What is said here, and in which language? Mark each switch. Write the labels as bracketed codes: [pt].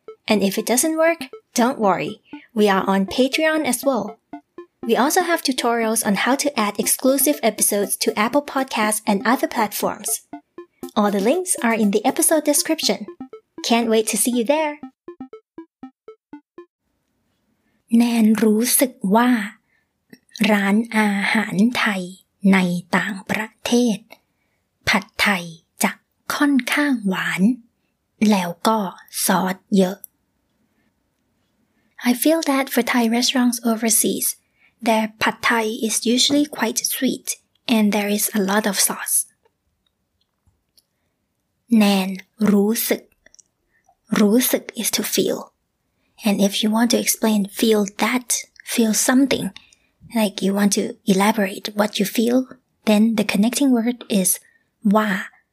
[en] And if it doesn't work, don't worry. We are on Patreon as well. We also have tutorials on how to add exclusive episodes to Apple Podcasts and other platforms. All the links are in the episode description. Can't wait to see you there! [th] แนนรู้สึกว่าร้านอาหารไทยในต่างประเทศผัดไทยจะค่อนข้างหวานแล้วก็ซอสเยอะ [en] I feel that for Thai restaurants overseas, their pad Thai is usually quite sweet and there is a lot of sauce. Nan rú sực. Rú sực is to feel. And if you want to explain feel that, feel something, like you want to elaborate what you feel, then the connecting word is wa.